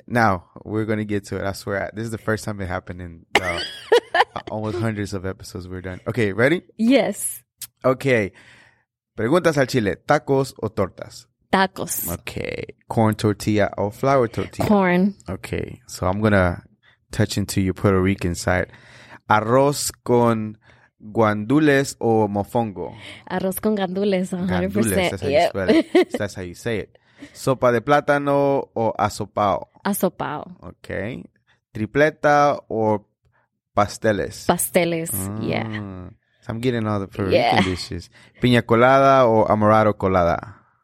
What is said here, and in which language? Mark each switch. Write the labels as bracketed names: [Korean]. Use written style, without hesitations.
[English] Now we're going to get to it. I swear, this is the first time it happened in almost hundreds of episodes we're done. Okay, ready? Yes. [Spanish] Okay. Preguntas al chile. ¿Tacos o tortas? Tacos. [English] Okay. Corn tortilla or flour tortilla? Corn. Okay. So I'm going to touch into your Puerto Rican side. [Spanish] ¿Arroz con guandules o mofongo? Arroz con gandules, [English] 100%. Gandules, that's how you spell it. That's how you say it. [Spanish] ¿Sopa de plátano o asopao? Asopao. Okay. ¿Tripleta o pasteles? [English] Pasteles, yeah. So I'm getting all the Puerto Rican dishes. [Spanish] ¿Piña colada o amaro colada?